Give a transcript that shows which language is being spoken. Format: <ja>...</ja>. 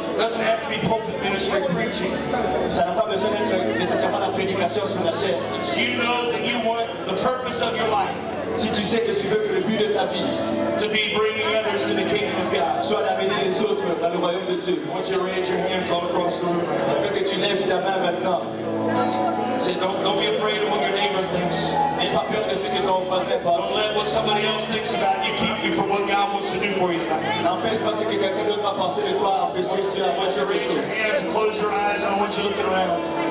<en>Doesn't have to be Pope's ministry preaching.</en> <fr>Ça n'a pas besoin d'être nécessairement la prédication sur la chair.</fr> <en>You know that you want the purpose of your life.</en> <fr>Si tu sais que tu veux que le but de ta vie</fr> <en>to be bringing others to the kingdom of God.</en> <fr>Soit d'amener les autres dans le royaume de Dieu.</fr> <en>I want you to raise your hands all across the room.</en> <fr>Je veux que tu lèves ta main maintenant.</fr> <en>Say, don't be afraid of what your neighbor thinks.</en> <fr>N'aie pas peur de ce que ton voisin pense.</fr> <en>Don't let what somebody else thinks about you keep you from what God wants to do for you.</en> <fr>N'empêche pas ce que quelqu'un d'autre va penser de toi. Empêche-toi.</fr> <en>I want you to raise your hands and close your eyes. I want you to look around.</en>